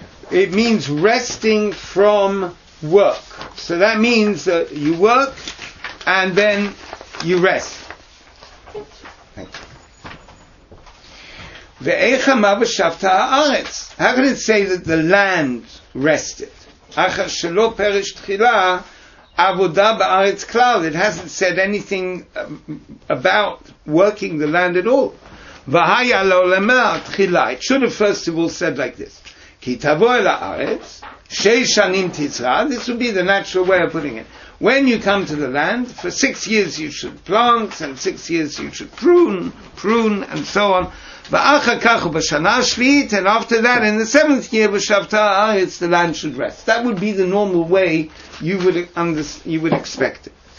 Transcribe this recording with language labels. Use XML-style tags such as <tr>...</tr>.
<en>It means resting from work. So that means that you work and then you rest.</en> <he>ואיך אמר ושבת הארץ?</he> <en>How can it say that the land rested?</en> <he>אחר שלא פרש תחילה, עבודה בארץ כלל.</he> <en>It hasn't said anything about working the land at all.</en> <he>והיה לעולמה תחילה.</he> <en>It should have first of all said like this.</en> <he>כי תבוא אל הארץ, שש שנים תצרע.</he> <en>This would be the natural way of putting it. When you come to the land, for 6 years you should plant, and 6 years you should prune, and so on.</en> <he>ואחר כך ובשנה השביעית,</he> <en>and after that, in the 7th year,</en> <he>בשבתה הארץ,</he> <en>the land should rest. That would be the normal way you would expect it.</en>